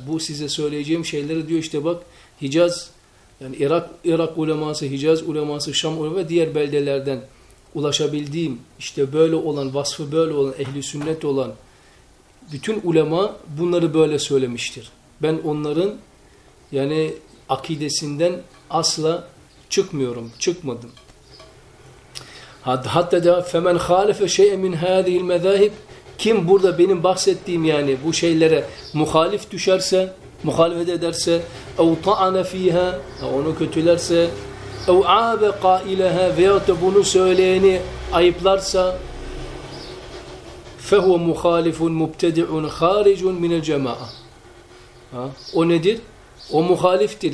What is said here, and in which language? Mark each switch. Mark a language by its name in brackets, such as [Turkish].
[Turkish] Bu size söyleyeceğim şeyleri diyor, işte bak Hicaz, yani Irak uleması, Hicaz uleması, Şam uleması ve diğer beldelerden ulaşabildiğim, işte böyle olan, vasfı böyle olan, ehli sünnet olan bütün ulema bunları böyle söylemiştir. Ben onların yani akidesinden asla çıkmıyorum, çıkmadım. Hatta da [Arabic] فَمَنْ خَالَفَ شَيْءٍ مِنْ هَذِهِ الْمَذَاهِبِ. [Turkish] Kim burada benim bahsettiğim yani bu şeylere muhalif düşerse, muhalefet ederse, [Arabic] اَوْ طَعَنَ ف۪يهَا, [Turkish] onu kötülerse, [Arabic] اَوْ عَابَ قَائِلَهَا, [Turkish] veyahut da bunu söyleyeni ayıplarsa, [Arabic] فَهُوَ مُخَالِفٌ مُبْتَدِعٌ خَارِجٌ مِنَ الْجَمَاءَ. [Turkish] O nedir? O muhaliftir.